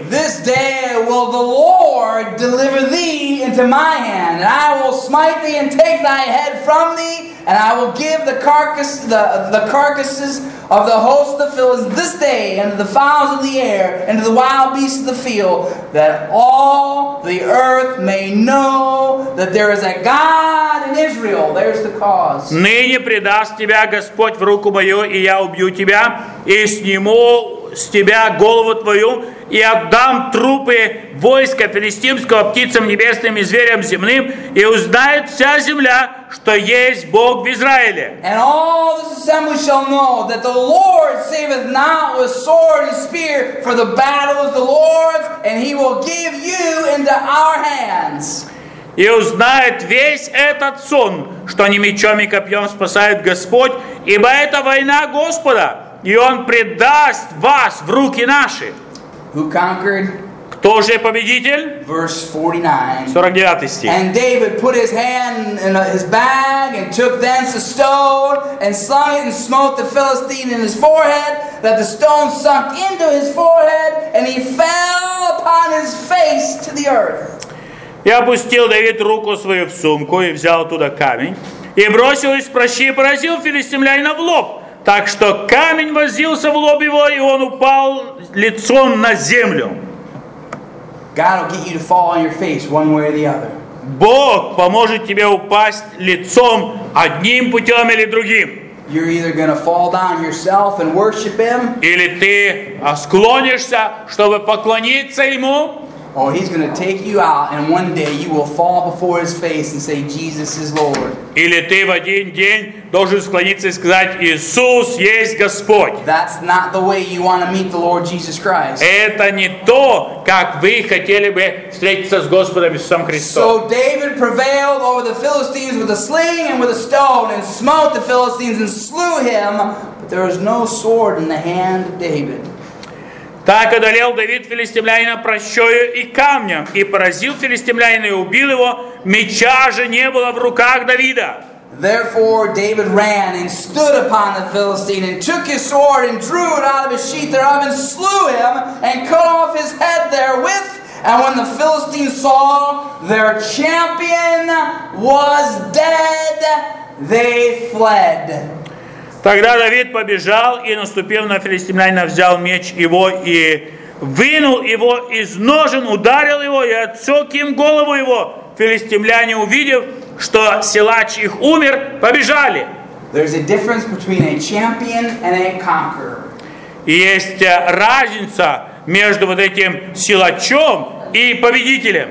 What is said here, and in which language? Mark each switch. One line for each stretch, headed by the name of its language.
English: This day will the Lord deliver thee into my hand, and I will smite thee and take thy head from thee, and I will give the carcasses of the host of the Philistines this day unto the fowls of the air and to the wild beasts of the field, that all the earth may know that there is a God in Israel. There's the cause.
Russian: Ныне предаст тебя Господь в руку мою, и я убью тебя, и сниму с тебя голову твою, и отдам трупы войска филистимского птицам небесным и зверям земным, и узнает вся земля, что есть Бог в Израиле.
English: And all this assembly shall know that the Lord saveth not with sword and spear, for the battle is the Lord's, and he will give you into our hands.
Russian: И узнает весь этот сон, что не мечом и копьем спасает Господь, ибо это война Господа. И он предаст вас в руки наши.
English: Who conquered?
Russian: Кто же победитель?
English: Verse 49.
Russian: 49 стих.
English: And David put his hand in his bag and took thence a stone and slung it and smote the Philistine in his forehead, that the stone sunk into his forehead, and he fell upon his face to the earth.
Russian: И опустил Давид руку свою в сумку и взял оттуда камень и бросил из пращи и поразил филистимлянина в лоб. Так что камень возился в лоб его, и он упал лицом на землю.
English: God will get you to fall on your face one way or the other.
Russian: Бог поможет тебе упасть лицом одним путем или другим.
English: You're either going to fall down yourself and worship him.
Russian: Или ты склонишься, чтобы поклониться ему.
English: Or he's going to take you out, and one day you will fall before his face and say, Jesus is Lord.
Russian: Или ты в один день должен склониться и сказать, Иисус есть Господь.
English: That's not the way you want to meet the Lord Jesus Christ.
Russian: Это не то, как вы хотели бы встретиться с Господом Иисусом Христом.
English: So David prevailed over the Philistines with a sling and with a stone, and smote the Philistines and slew him, but there was no sword in the hand of David.
Russian: Так одолел Давид филистимлянина пращою и камнем, и поразил филистимлянина и убил его, меча же не было в руках Давида.
English: Therefore David ran and stood upon the Philistine and took his sword and drew it out of his sheath thereof and slew him and cut off his head therewith. And when the Philistines saw their champion was dead, they fled.
Russian: Тогда Давид побежал и, наступив на филистимлянина, взял меч его и вынул его из ножен, ударил его и отсек им голову его. Филистимляне, увидев, что силач их умер, побежали.
English: There's a difference between a champion and a conqueror.
Russian: Есть разница между вот этим силачом и победителем.